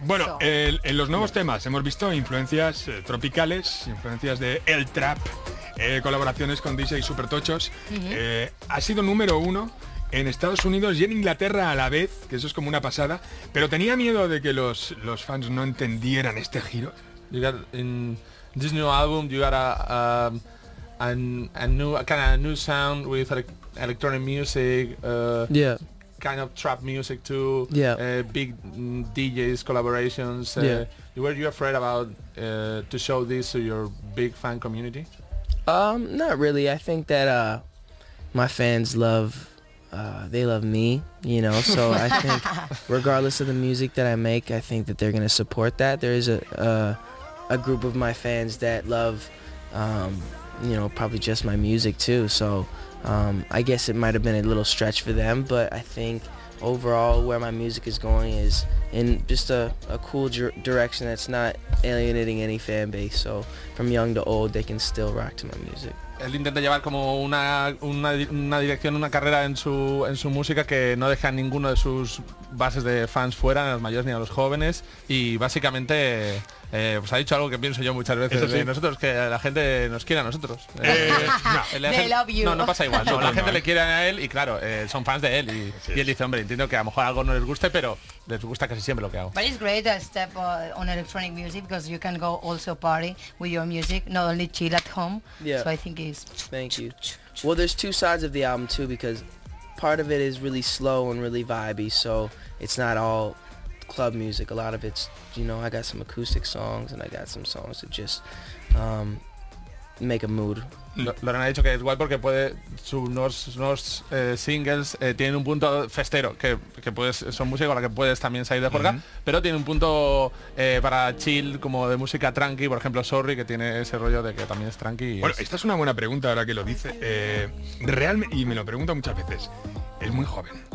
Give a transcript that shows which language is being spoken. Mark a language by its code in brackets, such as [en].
[es] Bueno, en los nuevos temas hemos visto influencias tropicales, influencias de El Trap, colaboraciones con DJ Super Tochos. Uh-huh. Ha sido número uno en Estados Unidos y en Inglaterra a la vez, que eso es como una pasada, pero tenía miedo de que los fans no entendieran este giro. [en] This new album, you got a new sound with electronic music, kind of trap music too. Yeah, big DJs collaborations. Were you afraid about to show this to your big fan community? Not really. I think that my fans love, they love me. You know, so I think regardless of the music that I make, I think that they're gonna support that. There is a group of my fans that love, you know, probably just my music too. So I guess it might have been a little stretch for them, but I think overall where my music is going is in just a cool direction that's not alienating any fan base. So from young to old, they can still rock to my music. [es] Él intenta llevar como una dirección, una carrera en su música que no deja a ninguno de sus bases de fans fuera, ni a los mayores ni a los jóvenes. Y básicamente, pues ha dicho algo que pienso yo muchas veces. Sí. Nosotros, que la gente nos quiere a nosotros. No pasa igual. No, la gente le quiere a él y claro, son fans de él. Y él dice, hombre, entiendo que a lo mejor algo no les guste, pero les gusta casi siempre lo que hago. [en] But it's great a step on electronic music because you can go also party with your music, not only chill at home. Yeah. So I think it's... Thank you. Well, there's two sides of the album too, because part of it is really slow and really vibey, so it's not all club music. A lot of it's, you know, I got some acoustic songs and I got some songs that just make a mood. [es] Lorena ha dicho que es guay porque puede sus nuevos singles tienen un punto festero que puedes, son música con la que puedes también salir de juerga, uh-huh. pero tiene un punto para chill, como de música tranqui, por ejemplo Sorry, que tiene ese rollo de que también es tranqui. Bueno, esta es una buena pregunta ahora que lo dice. Realmente, y me lo pregunto muchas veces, es muy joven.